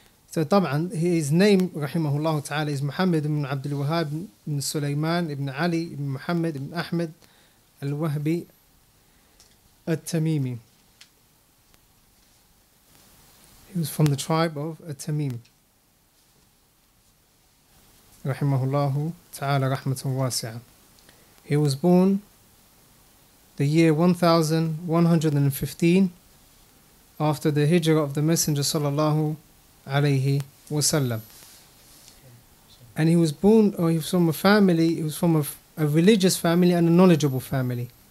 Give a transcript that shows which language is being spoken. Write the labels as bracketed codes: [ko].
[en] So طبعاً, his name, [ar] رحمه الله تعالى, [en] is Muhammad ibn Abdul Wahhab ibn Sulaiman ibn Ali ibn Muhammad ibn Ahmed al-Wahbi al-Tamimi. He was from the tribe of al-Tamim. [ar] رحمه الله تعالى رحمة واسعة. [en] He was born the year 1115 after the hijrah of the Messenger sallallahu alayhi wasallam. And he was born, or he was from a family, he was from a religious family and a knowledgeable family.